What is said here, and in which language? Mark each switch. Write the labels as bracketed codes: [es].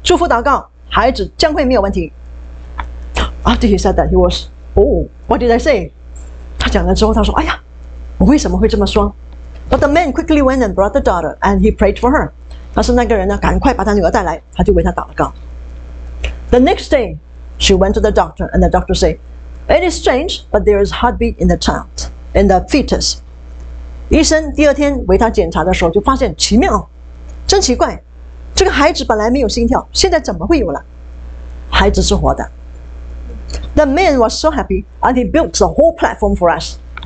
[zh] 你把你的女儿带来给我，我要为她祝福祷告，孩子将会没有问题. [en] After he said that, he was, oh, what did I say? [zh] 他讲了之后，他说，哎呀，我为什么会这么说？ [en] But the man quickly went and brought the daughter, and he prayed for her. [zh] 但是那个人呢，赶快把他女儿带来，他就为他祷了告。 [en] The next day, she went to the doctor, and the doctor said, "It is strange, but there is heartbeat in the child, in the fetus." [zh] 医生第二天为他检查的时候就发现奇妙，真奇怪，这个孩子本来没有心跳，现在怎么会有了？孩子是活的。 [en] The man was so happy, and he built the whole platform for us.